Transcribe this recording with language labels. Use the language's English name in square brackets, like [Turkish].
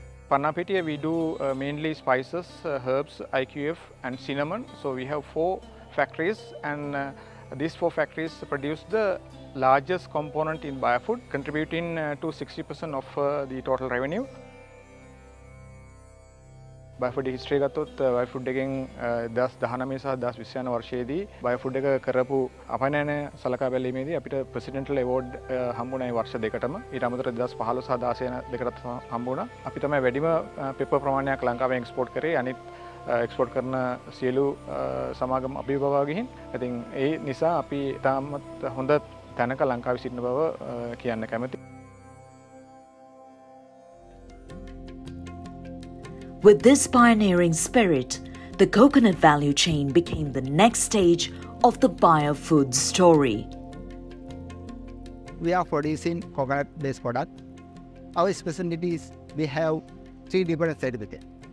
[English] Pannapitiya, we do mainly spices, herbs, IQF and cinnamon. So we have four factories and these four factories produce the largest component in Biofood, contributing to 60% of the total revenue. [Sinhala] Biofood history ගත්තොත් Biofood එකෙන් 2019 සහ 2020 වර්ෂයේදී Biofood එක කරපු අපනයන සලකා බැලීමේදී අපිට presidential award හම්බුණා මේ වර්ෂ දෙකටම. ඊට අමතරව 2015 සහ 2016 දෙකටත් හම්බුණා. අපි තමයි වැඩිම paper ප්‍රමාණයක් ලංකාවෙන් export කරේ. අනිත් එක්ස්පෝර්ට් කරන සියලු සමාගම් අභිභවා ගිහින් ඉතින් ඒ නිසා අපි තාමත් හොඳ තැනක ලංකාවේ සිටින බව කියන්න කැමතියි. [English] With this pioneering spirit, the coconut value chain became the next stage of the Biofood story. We are producing coconut based product. Our specialty is we have three different certificates.